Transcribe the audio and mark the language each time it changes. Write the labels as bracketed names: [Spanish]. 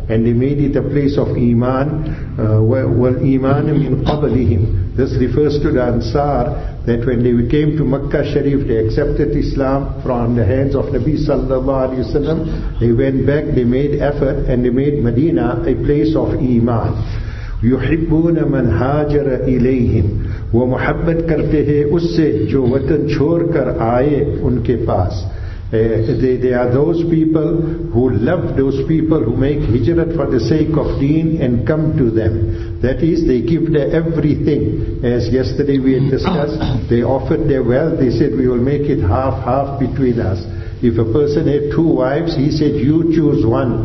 [English] And they made it a place of iman. Well, iman min qablihim. This refers to the Ansar, that when they came to Makkah Sharif, they accepted Islam from the hands of Nabi sallallahu alayhi wasallam. They went back, they made effort, and they made Medina a place of iman. [Arabic] يُحِبُّونَ مَنْ هَاجَرَ إِلَيْهِمْ [Urdu] وَمُحَبَّتْ کرتے ہیں اس سے جو وطن چھوڑ کر آئے ان کے پاس. [English] They are those people who love those people who make hijrat for the sake of deen and come to them. That is, they give their everything. As yesterday we had discussed, they offered their wealth. They said, we will make it half-half between us. If a person had two wives, he said, you choose one.